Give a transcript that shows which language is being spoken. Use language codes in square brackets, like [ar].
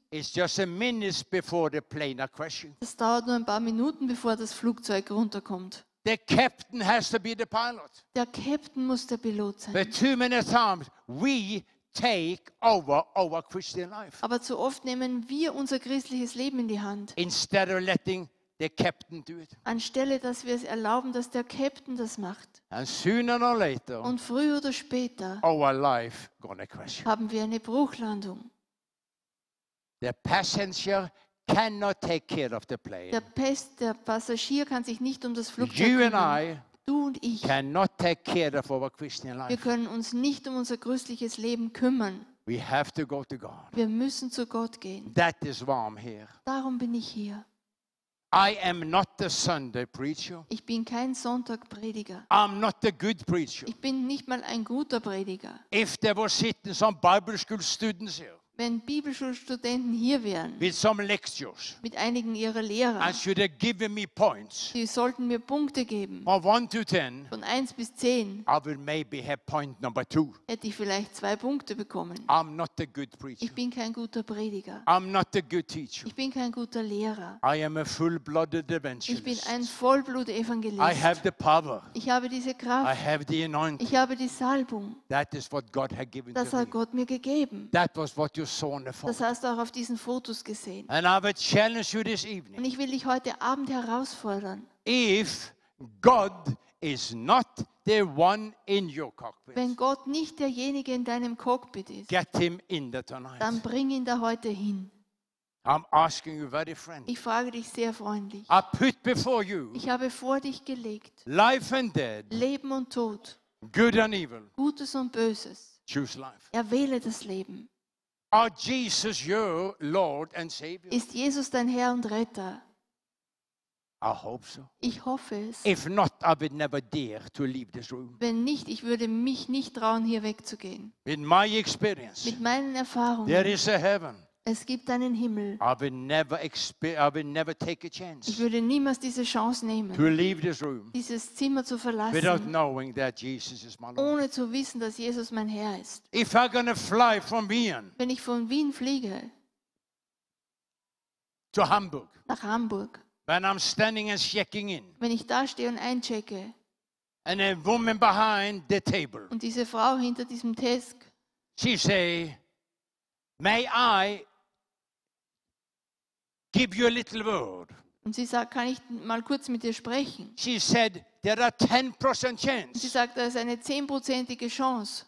[en] it's just a minutes before the plane are crashing. [de] Das dauert nur ein paar Minuten, bevor das Flugzeug runterkommt. [en] The captain has to be the pilot. [de] Der Captain muss der Pilot sein. [en] But too many times we take over our Christian life. [de] Aber zu oft nehmen wir unser christliches Leben in die Hand. [en] Instead of letting the captain do it. [de] Anstelle, dass wir es erlauben, dass der Captain das macht. [en] And sooner or later, [de] und früher oder später, [en] our life gonna crash. [de] Haben wir eine Bruchlandung. [en] The passenger cannot take care of the plane. [de] Der Passagier kann sich nicht um das Flugzeug kümmern. [en] You and I. [de] Du und ich. [en] Cannot take care of our Christian life. [de] Wir können uns nicht um unser christliches Leben kümmern. [en] We have to go to God. [de] Wir müssen zu Gott gehen. [en] That is why I'm here. [de] Darum bin ich hier. [en] I am not the Sunday preacher. [de] Ich bin kein Sonntagprediger. [en] I'm not the good preacher. [de] Ich bin nicht mal ein guter Prediger. [en] If there were sitting some Bible school students here. [de] Wenn Bibelschulstudenten hier wären, [en] with some lectures, [de] mit einigen ihrer Lehrer, [en] and should have given me points, [de] die sollten mir Punkte geben, [en] of 1 to 10, [de] von 1 bis 10, [en] I will maybe have point number 2. [de] Hätte ich vielleicht 2 Punkte bekommen. [en] I'm not a good preacher. [de] Ich bin kein guter Prediger. [en] I'm not a good teacher. [de] Ich bin kein guter Lehrer. [en] I am a full-blooded evangelist. [de] Ich bin ein Vollblut-Evangelist. [en] I have the power. [de] Ich habe diese Kraft. [en] I have the anointing. [de] Ich habe die Salbung. [en] That is what God had given [de] das [en] to [de] hat [en] me. [de] Gott mir gegeben. [en] That was what you saw in the [de] das hast du auch auf diesen Fotos gesehen. [en] And I will challenge you this evening. [de] Und ich will dich heute Abend herausfordern. [en] If God is not the one in your cockpit, [de] wenn Gott nicht derjenige in deinem Cockpit ist, [en] get him in there tonight. [de] Dann bring ihn da heute hin. [en] I'm asking you very friendly. [de] Ich frage dich sehr freundlich. [en] I put before you, [de] ich habe vor dich gelegt, [en] life and dead, [de] Leben und Tod, [en] good and evil, [de] Gutes und Böses. [en] Choose life. [de] Erwähle das Leben. [en] Are Jesus your Lord and Savior? [de] Ist Jesus dein Herr und Retter? [en] I hope so. [de] Ich hoffe es. [en] If not, I would never dare to leave this room. [de] Wenn nicht, ich würde mich nicht trauen, hier wegzugehen. [en] In my experience, [de] mit meinen Erfahrungen, [en] there is a heaven. [de] Es gibt einen Himmel. [en] I would never take a chance. [de] Ich würde niemals diese Chance nehmen, [en] to leave this room, [de] dieses Zimmer zu verlassen, [en] without knowing that Jesus is my Lord. [de] Ohne zu wissen, dass Jesus mein Herr ist. [en] If I'm gonna fly from Wien, [de] wenn ich von Wien fliege, [en] to Hamburg. [de] Nach Hamburg. [en] When I'm standing and checking in. [de] Wenn ich da stehe und einchecke. [en] And a woman behind the table. [de] Und diese Frau hinter diesem Desk. [en] She say, "May I give you a little word?" [de] Und sie sagt, kann ich mal kurz mit dir sprechen? [en] She said, "There are 10% chance." [de] Sie sagt, da ist eine 10%ige Chance.